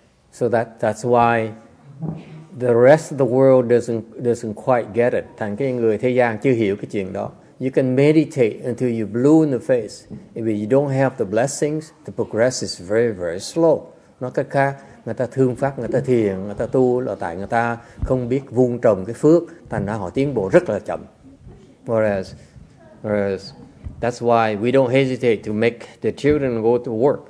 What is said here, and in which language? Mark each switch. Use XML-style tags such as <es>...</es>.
<en>So that's why the rest of the world doesn't quite get it.</en> <vi>Thành cái người thế gian chưa hiểu cái chuyện đó.</vi> <en>You can meditate until you're blue in the face. If you don't have the blessings, the progress is very, very slow.</en> <vi>Nói cách khác, người ta thương pháp, người ta thiền, người ta tu là tại người ta không biết vun trồng cái phước, thành ra họ tiến bộ rất là chậm.</vi> <en>Whereas, that's why we don't hesitate to make the children go to work.</en>